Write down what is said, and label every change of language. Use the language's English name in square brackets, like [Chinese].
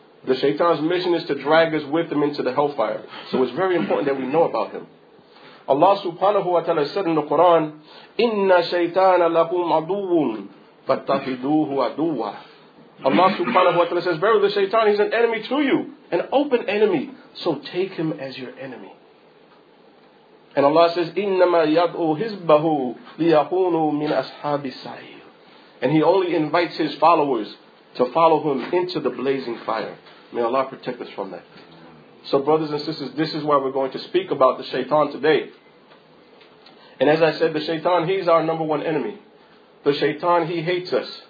[English] The shaitan's mission is to drag us with him into the hellfire. So it's very important that we know about him. Allah subhanahu wa ta'ala said in the Quran, [Arabic] إِنَّ شَيْطَانَ لَكُمْ عَدُوٌ فَتَّخِذُوهُ عَدُوًا. [English] Allah subhanahu wa ta'ala says, verily the shaitan, he's an enemy to you, an open enemy. So take him as your enemy. And Allah says, [Arabic] إِنَّمَا يَدْعُوا حِزْبَهُ لِيَكُونُوا مِنْ أَصْحَابِ السَّعِيرِ. [English] And he only invites his followers to follow him into the blazing fire. May Allah protect us from that. So brothers and sisters, this is why we're going to speak about the shaitan today. And as I said, the shaitan, he's our number one enemy. The shaitan, he hates us.